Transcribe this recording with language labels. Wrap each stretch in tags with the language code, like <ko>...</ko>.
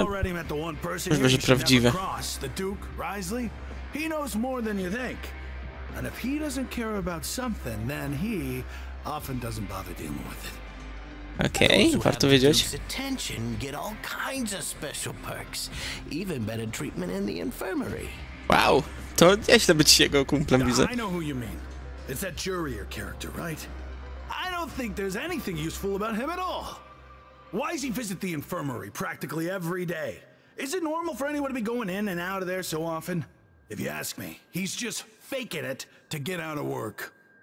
<en>Already met the one person you should never cross, the Duke, Risley. He knows more than you think. And if he doesn't care about something, then he often doesn't bother dealing with it.</en> <pl>Okay, warto wiedzieć.</pl> <en>Those who have attention get all kinds of special perks. Even better treatment in the infirmary.</en> <pl>Wow, to nieźle być jego kumplem, widzę.</pl> <en>I know who you mean. It's that Jurier character, right? I don't think there's anything useful about him at all. Why does he visit the infirmary practically every day? Is it normal for anyone to be going in and out of there so often? If you ask me, he's just faking it to get out of work.</en>